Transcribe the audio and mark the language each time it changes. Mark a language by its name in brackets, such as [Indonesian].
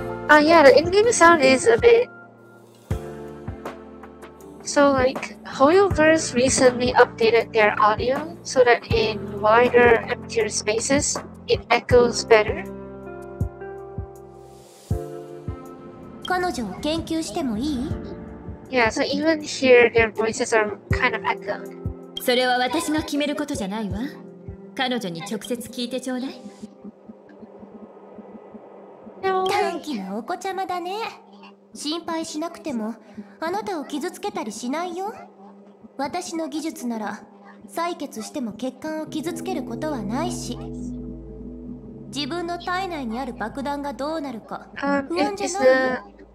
[English] Oh, yeah, the in-game sound is a bit... So, like, HoYoverse recently updated their audio so that in wider, emptier spaces, it echoes better. [Japanese] 彼女を研究してもいい? [English] Yeah, so even here, their voices are kind of echoed. [Japanese] それは私が決めることじゃないわ。彼女に直接聞いてちょうだい。短気なお子ちゃまだね。心配しなくてもあなたを傷つけたりしないよ。私の技術なら採血しても血管を傷つけることはないし、自分の体内にある爆弾がどうなるか不安じゃないよ。